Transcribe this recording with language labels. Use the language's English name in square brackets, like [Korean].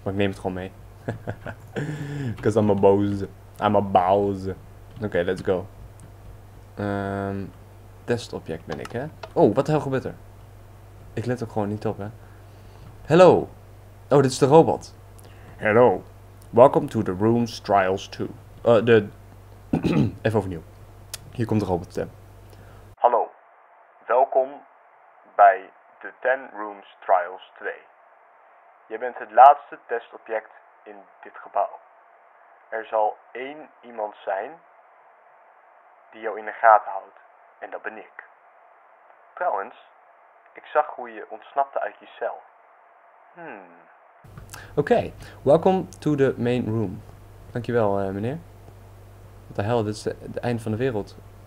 [Dutch] Maar ik neem het gewoon mee. [English] Because I'm a boze. Oké, let's go. [Dutch] Testobject ben ik, hè? Oh, wat de hel gebeurt er? Ik let ook gewoon niet op, hè? [English] Hello. [Dutch] Oh, dit is de robot. [English] Hello. Welcome to the rooms trials 2. [Dutch] Even overnieuw. Hier komt de robotstem. Hallo. Welkom bij de 10 rooms trials 2. Je bent het laatste testobject in dit gebouw. Er zal 1 iemand zijn die jou in de gaten houdt. En dat ben ik. Trouwens, ik zag hoe je ontsnapte uit je cel. [English] Oké, welcome to the main room. [Dutch] Dankjewel, meneer. Wat de hel, dit is de eind van de wereld.